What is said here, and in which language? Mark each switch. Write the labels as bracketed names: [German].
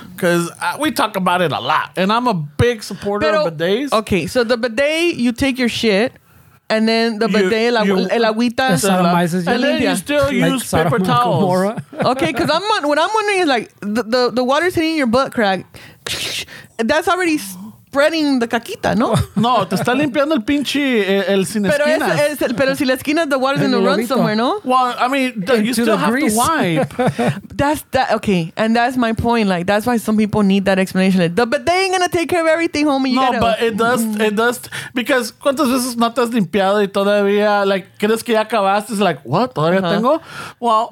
[English] Because we talk about it a lot. And I'm a big supporter of bidets. Okay, so the bidet, you take your shit. And then the bidet, [Spanish] el agüita, [English] and then you still use like paper towels. Okay, because what I'm wondering is like the water's hitting your butt crack. That's already spreading the caquita, no? [Spanish] No, te está limpiando el pinche el sin esquinas. Pero si la esquina, [English] the water's gonna run somewhere, no? Well, I mean, you still have to wipe. Okay, and that's my point. Like, that's why some people need that explanation. Like, but they ain't gonna take care of everything, homie. No, but it does, because [Spanish] ¿cuántas veces no te has limpiado y todavía, [English] like, [Spanish] crees que ya acabaste? [English] It's like, what? [Spanish] ¿Todavía tengo? [English] Well,